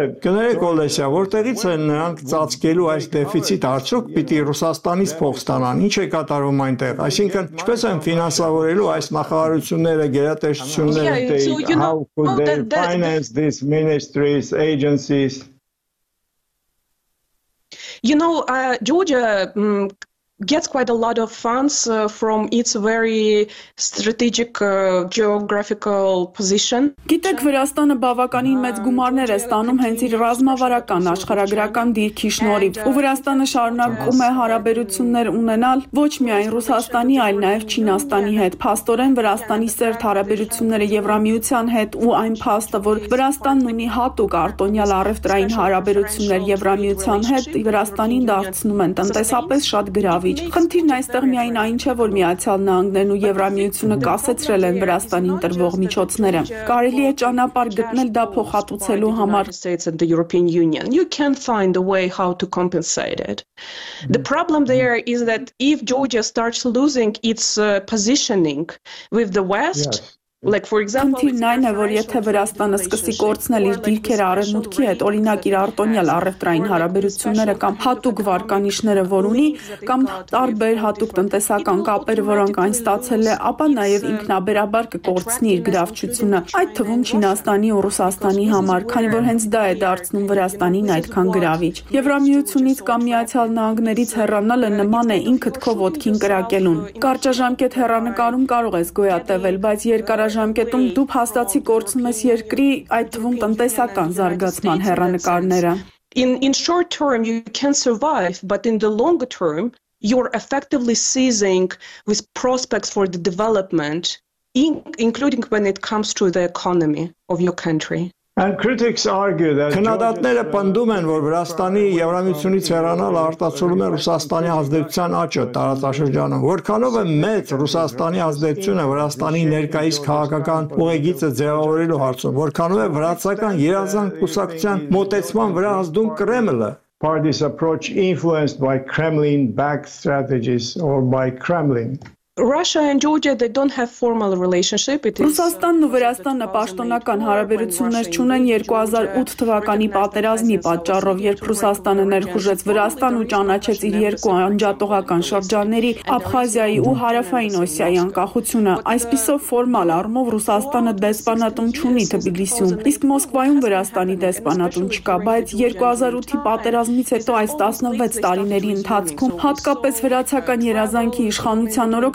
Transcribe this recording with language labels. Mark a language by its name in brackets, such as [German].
[Armenian] Կներեք Օլեսյա, որտեղից են նրանք ծածկելու այս դեֆիցիտ, արդյոք պիտի Ռուսաստանից փող ստանան, ի՞նչ է կատարվում այնտեղ, այսինքն ինչպես են ֆինանսավորելու այս նախարարությունները, գերատեսչությունները, [English] how could they finance these ministries, agencies? You know, Georgia… gets quite a lot of funds from its very strategic geographical position. [Armenian] Գիտեք, Վրաստանը բավականին մեծ գումարներ է ստանում հենց իր ռազմավարական աշխարհագրական դիրքի շնորհիվ, ու Վրաստանը շարունակում է հարաբերություններ ունենալ ոչ միայն Ռուսաստանի, այլ նաև Չինաստանի հետ։ Փաստորեն Վրաստանի սերտ հարաբերությունները Եվրամիության հետ ու այն փաստը, որ Վրաստանն ունի հատուկ արտոնյալ առևտրային հարաբերություններ Եվրամիության հետ, Վրաստանին դարձնում են տնտեսապես շատ գրավ։ Խնդիրն այստեղ միայն այն չէ, որ Միացյալ Նահանգներն ու Եվրամիությունը կասեցրել են Վրաստանին տրվող միջոցները։ Կարելի է ճանապարհ գտնել դա փոխհատուցելու համար. [English] You can find a way how to compensate it. The problem there is that if Georgia starts losing its positioning with the West, like for example, [Armenian] այն է, որ եթե Վրաստանը սկսի կորցնել իր դիրքերը արևմուտքի հետ, օրինակ իր արտոնյալ առևտրային հարաբերությունները կամ հատուկ վարկանիշները, որ ունի, կամ տարբեր հատուկ տնտեսական կապեր, որոնք այն ստացել է, ապա նաև ինքնաբերաբար կկորցնի իր գրավչությունը, այդ թվում Չինաստանի ու Ռուսաստանի համար, քանի որ հենց դա է դարձնում Վրաստանին այդքան գրավիչ։ Եվրամիությունից կամ Միացյալ Նահանգներից հեռանալը նման է ինքդ քո ոտքին կրակելուն։ Կարճաժամկետ հեռանկարում կարող ես գոյատևել, բայց երկարաժամկետում դու փաստացի կորցնում ես երկրի, այդ թվում տնտեսական զարգացման հեռանկարները։ [English] In short term you can survive, but in the longer term you're effectively seizing with prospects for the development, including when it comes to the economy of your country. And critics argue that [Armenian] քննադատները պնդում են, որ Վրաստանի Եվրամիությունից հեռանալը արտացոլում է Ռուսաստանի ազդեցության աճը տարածաշրջանում։ Որքանով է մեծ Ռուսաստանի ազդեցությունը Վրաստանի ներկայիս քաղաքական ուղեկիցը ձևավորելու հարցում, որքանով է վրացական երազանք կուսակցության մոտեցման վրա ազդում Կրեմլը։ [English] Party's approach influenced by Kremlin-backed strategies or by Kremlin. Russia and Georgia, they don't have formal relationship. It is [Armenian] Ռուսաստանն ու Վրաստանը պաշտոնական հարաբերություններ չունեն 2008 թվականի պատերազմի պատճառով, երբ Ռուսաստանը ներխուժեց Վրաստան ու ճանաչեց իր երկու անջատողական շրջանների՝ Աբխազիայի ու Հարավային Օսիայի անկախությունը։ Այսպիսով ֆորմալ առումով Ռուսաստանը դեսպանատուն չունի Թբիլիսիում, իսկ Մոսկվայում Վրաստանի դեսպանատուն չկա, բայց 2008-ի պատերազմից հետո այս 16 տարիների ընթացքում հատկապես վրացական երազանքի իշխանության